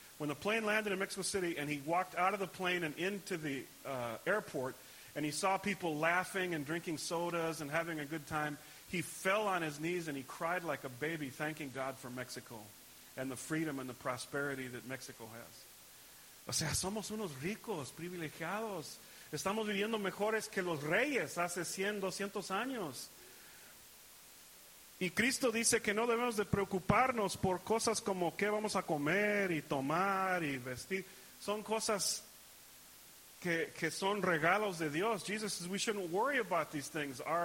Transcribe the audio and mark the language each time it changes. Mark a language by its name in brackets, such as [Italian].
[English] When the plane landed in Mexico City and he walked out of the plane and into the airport and he saw people laughing and drinking sodas and having a good time, he fell on his knees and he cried like a baby thanking God for Mexico and the freedom and the prosperity that Mexico has. [Spanish] O sea, somos unos ricos, privilegiados. Estamos viviendo mejores que los reyes hace 100, 200 años. Y Cristo dice que no debemos de preocuparnos por cosas como qué vamos a comer y tomar y vestir. Son cosas que son regalos de Dios. [English] Jesus says we shouldn't worry about these things.